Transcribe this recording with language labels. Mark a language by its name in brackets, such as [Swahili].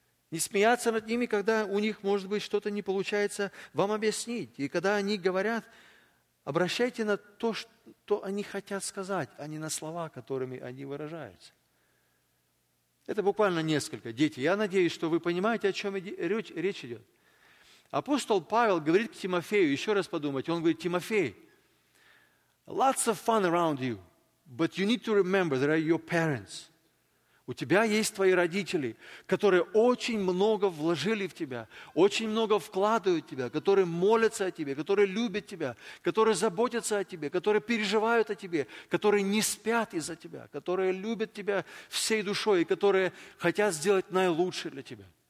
[Russian] Не смеяться над ними, когда у них, может быть, что-то не получается вам объяснить. И когда они говорят, обращайте на то, что они хотят сказать, а не на слова, которыми они выражаются. Это буквально несколько. Дети, я надеюсь, что вы понимаете, о чем речь идет. Апостол Павел говорит к Тимофею, еще раз подумайте, он говорит, Тимофей, [English] lots of fun around you, but you need to remember there are your parents. [Russian] У тебя есть твои родители, которые очень много вложили в тебя, очень много вкладывают в тебя, которые молятся о тебе, которые любят тебя, которые заботятся о тебе, которые переживают о тебе, которые не спят из-за тебя, которые любят тебя всей душой и которые хотят сделать наилучшее для тебя.